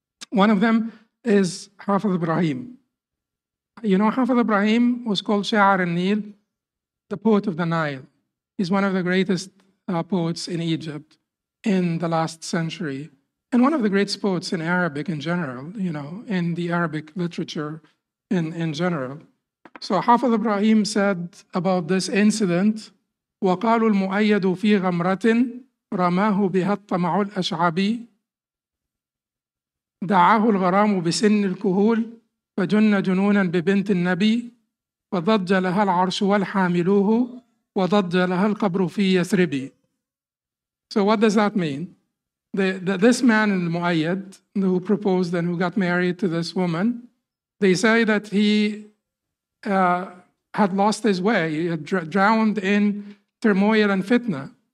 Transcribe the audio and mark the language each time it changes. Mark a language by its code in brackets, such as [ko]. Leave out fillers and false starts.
[en] One of them is Hafiz Ibrahim. You know, Hafiz Ibrahim was called Sha'ar al-Nil, the poet of the Nile. He's one of the greatest poets in Egypt in the last century, and one of the greatest poets in Arabic in general, you know, in the Arabic literature in general. So Hafiz Ibrahim said about this incident, [ar] وَقَالُوا الْمُؤَيَّدُ فِي غَمْرَةٍ رَمَاهُ بِهَا الطَّمَعُ الْأَشْعَبِي دَعَاهُ الْغَرَامُ بِسِنِّ الْكُهُولِ فَجُنَّ جُنُونًا بِبِنْتِ النَّبِيِّ فَضَجَّ لَهَا الْعَرْشُ وَالْحَامِلُوهُ وَضَجَّ لَهَا الْقَبْرُ فِي يَثْرِبِي. [en] So what does that mean? This man, Al-Mu'ayyad, who proposed and who got married to this woman, they say that he had lost his way, he had drowned in turmoil and fitna.